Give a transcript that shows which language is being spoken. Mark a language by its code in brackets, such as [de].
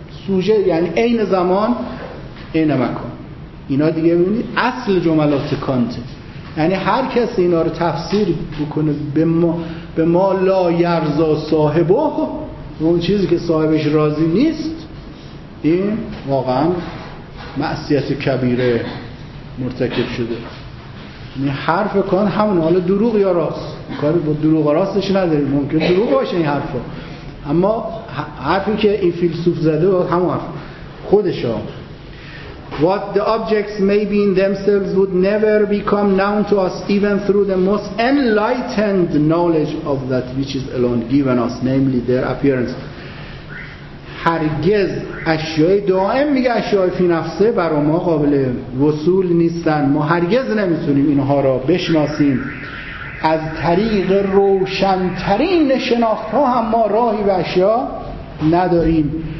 [fa] سوژه یعنی این زمان، این مکان. اینا دیگه ببینید اصل جملات کانت، یعنی هر کسی اینا رو تفسیر بکنه به ما لا یرزا صاحبه، اون چیزی که صاحبش راضی نیست، این واقعا معصیت کبیره مرتکب شده. یعنی حرف کان همون، حالا دروغ یا راست، کاری با دروغ و راستش نداریم، ممکن دروغ باشه این حرفا، اما حرفی که این فیلسوف زده همون حرف خودش ها. [en] What the objects may be in themselves would never become known to us even through the most enlightened knowledge of that which is alone given us, namely their appearance. [fa] هرگز اشیای دائم، میگه اشیای فی نفسه، بر ما قابل وصول نیستن، ما هرگز نمیتونیم اینها را بشناسیم از طریق روشن‌ترین شناخت ها هم ما راهی به اشیا نداریم.